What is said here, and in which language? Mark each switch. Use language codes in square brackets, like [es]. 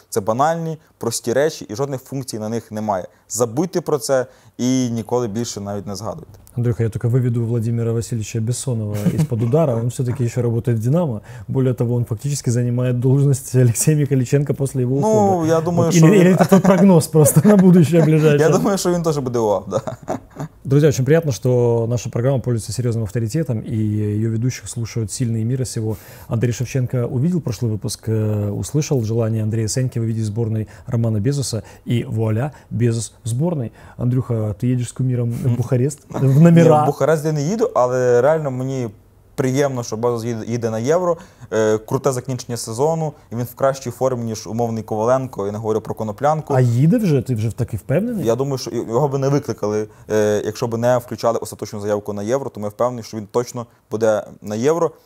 [uk] Це банальні, прості речі і жодних функцій на них немає. Забудьте про це і ніколи більше навіть не згадуйте. Андрюха, я тільки виведу Владимира Васильевича Бессонова із-под удара. Він все-таки ще працює в «Динамо». [ru] Более того, [uk] він фактично займає должність Олексія Міхаліченка після його уходу. Ну, я думаю, [ru] Или це прогноз просто на будущее ближайшее. [uk] Я думаю, що він теж буде ОАВ, да. [ru] Друзья, очень приятно, что наша программа пользуется серьезным авторитетом, и ее ведущих слушают сильные мира сего. Андрей Шевченко увидел прошлый выпуск, услышал желание Андрея Сеньки увидеть сборной Романа Безоса, и вуаля, Безос в сборной. Андрюха, ты едешь с кумиром в Бухарест, в номера? [uk] Не, в Бухарест я не їду, але реально мені приємно, що Безос їде на Євро. Круте закінчення сезону, і він в кращій формі, ніж умовний Коваленко, я не говорю про Коноплянку. А їде вже? Ти вже таки впевнений? Я думаю, що його би не викликали, якщо б не включали остаточну заявку на Євро, тому я впевнений, що він точно буде на Євро.